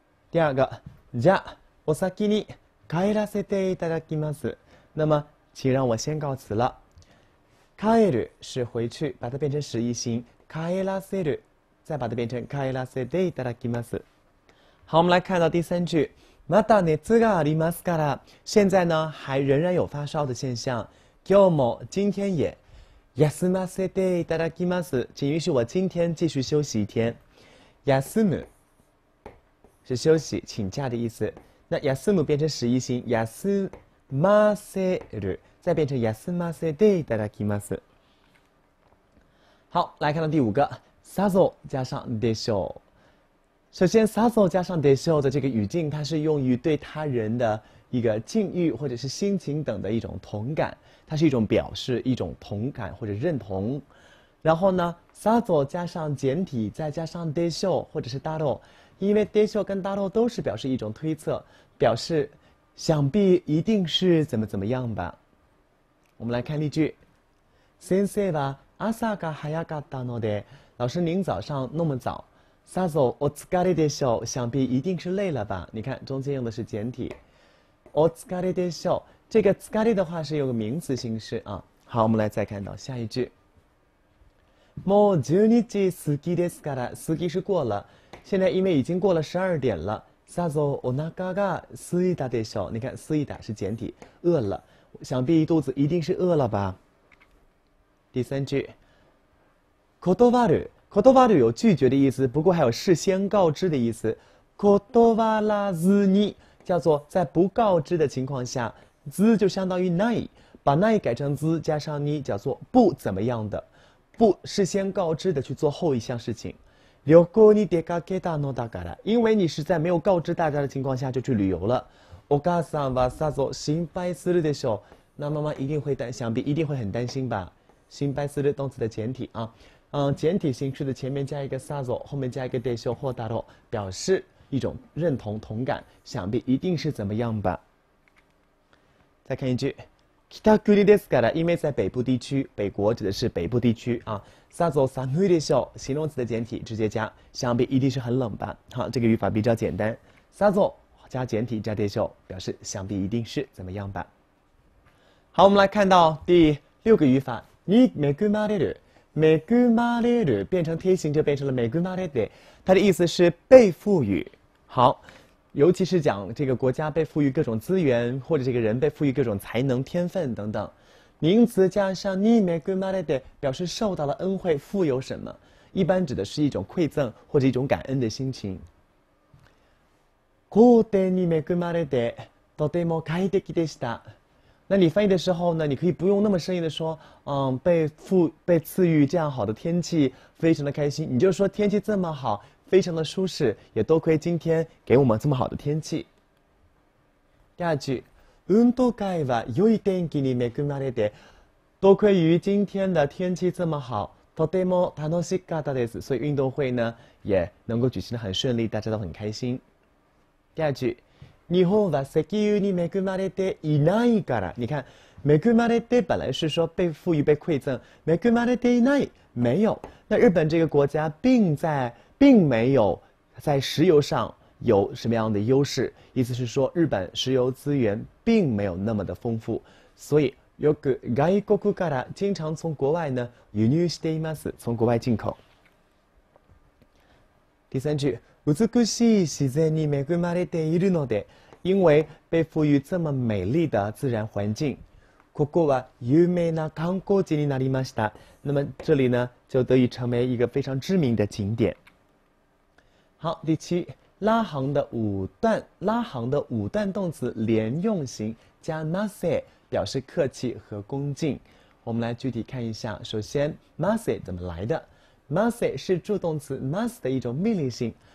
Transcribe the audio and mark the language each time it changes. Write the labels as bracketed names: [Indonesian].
[Chinese] 第二个， [Japanese] じゃお先に帰らせていただきます。 [Chinese] 那么请让我先告辞了。帰る是回去，把它变成是一形，帰らせる再把它变成 [Japanese] 帰らせていただきます。 [Chinese] 好，我们来看到第三句。 [Japanese] また熱がありますから。 [Chinese] 现在呢，还仍然有发烧的现象。 [Japanese] 今日も [Chinese] 今天也。 [Japanese] 休ませていただきます。 [Chinese] 请允许我今天继续休息一天。休む是休息、请假的意思。那休む变成实义形，休ませる再变成休ませていただきます。好，来看到第五个，さぞ加上でしょう。首先さぞ加上でしょう的这个语境，它是用于对他人的一个境遇或者是心情等的一种同感，它是一种表示一种同感或者认同。然后呢，さぞ加上简体再加上でしょう或者是だろう，因为でしょう跟だろう都是表示一种推测，表示想必一定是怎么怎么样吧。我们来看例句。 [Japanese] 先生は朝が早かったので， [Chinese] 老师您早上那么早。 [Japanese] さぞお疲れでしょう。 [Chinese] 想必一定是累了吧？你看，中间用的是简体。お疲れでしょう。这个疲れ的话是有个名词形式啊。好，我们来再看到下一句。 [Japanese] もう十日過ぎですから、 [Chinese] 過ぎ是过了。现在因为已经过了12点了。 [Japanese] さぞお腹が空いたでしょう。 [Chinese] 你看，空いた是简体，饿了。想必肚子一定是饿了吧？第三句。 [Japanese] 断る [Chinese] 有拒绝的意思，不过还有事先告知的意思。 [Japanese] 断らずに [Chinese] 叫做在不告知的情况下，ず就相当于ない，把ない改成ず加上に叫做不怎么样的，不事先告知的去做后一项事情。 [Japanese] 旅行に出かけたのだから， [Chinese] 因为你是在没有告知大家的情况下就去旅游了。 [Japanese] お母さんはさぞ心配するでしょう， [Chinese] 那妈妈一定会担，想必一定会很担心吧？心配する动词的简体啊。简体形式的前面加一个さぞ，后面加一个でしょう或だろう，表示一种认同同感，想必一定是怎么样吧。再看一句， [Japanese] 北国ですから， [Chinese] 因为在北部地区，北国指的是北部地区啊。 [Japanese] さぞ寒いでしょう， [Chinese] 形容词的简体直接加，想必一定是很冷吧。好，这个语法比较简单，さぞ加简体加でしょう，表示想必一定是怎么样吧。好，我们来看到第六个语法， [Japanese] に恵まれる。 [Chinese] めぐまれる变成贴形就变成了めぐまれて，它的意思是被赋予。好，尤其是讲这个国家被赋予各种资源，或者这个人被赋予各种才能、天分等等。名词加上にめぐまれて，表示受到了恩惠，富有什么，一般指的是一种馈赠或者一种感恩的心情。 [Japanese] 皇帝にめぐまれてとても快適でした。 [Chinese] 那你翻译的时候呢，你可以不用那么生硬的说，被赐予这样好的天气，非常的开心。你就说天气这么好，非常的舒适，也多亏今天给我们这么好的天气。第二句， [Japanese] 運動会は良い天気に恵まれて， [Chinese] 多亏于今天的天气这么好， [Japanese] とても楽しかったです。 [Chinese] 所以运动会呢也能够举行的很顺利，大家都很开心。第二句。 [Japanese] 日本は石油に恵まれていないから。 [Chinese] 你看，恵まれて本来是说被赋予、被馈赠。 [Japanese] 恵まれていない， [Chinese] 没有。那日本这个国家并没有在石油上有什么样的优势。意思是说，日本石油资源并没有那么的丰富。所以 [Japanese] よく外国から [Chinese] 经常从国外呢 [Japanese] 輸入しています， [Chinese] 从国外进口。第三句。 [Japanese] 美しい自然に恵まれているので， [Chinese] 因为被赋予这么美丽的自然环境。 [Japanese] ここは有名な観光地になりました。 [Chinese] 那么这里呢，就得以成为一个非常知名的景点。好，第七，拉行的五段，拉行的五段动词连用型加なせ，表示客气和恭敬。我们来具体看一下，首先なせ怎么来的？なせ是助动词ます的一种命令性。